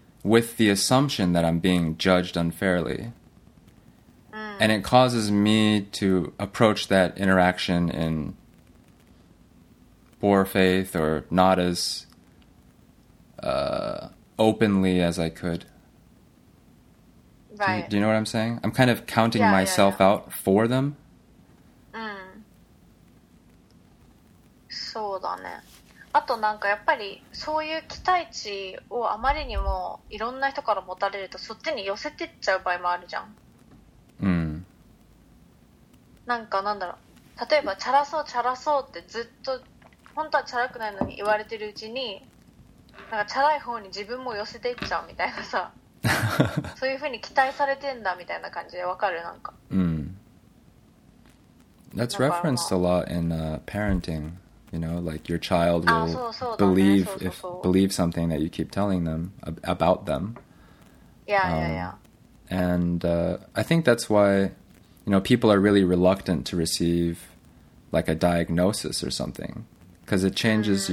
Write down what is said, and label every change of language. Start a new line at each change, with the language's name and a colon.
English: with the assumption that I'm being judged unfairly. And it causes me to approach that interaction in poor faith or not as openly as I could. Right. Do you know what I'm saying? I'm kind of counting myself out for them.
Japanese: そうだね。あとなんかやっぱりそういう期待値をあまりにもいろんな人から持たれるとそっちに寄せてっちゃう場合もあるじゃん。うん。なんかなんだろう、例えばチャラそうチャラそうってずっと本当はチャラくないのに言われてるうちに、なんかチャラい方に自分も寄せていっちゃうみたいなさそういう風に期待されてんだみたいな感じでわかる、なんか、
English: うん、That's referenced a lot in、parenting, you know, like your child will believe, if, believe something that you keep telling them about them. Yeah. And、I think that's why, you know, people are really reluctant to receive like a diagnosis or something, because it changes、mm-hmm.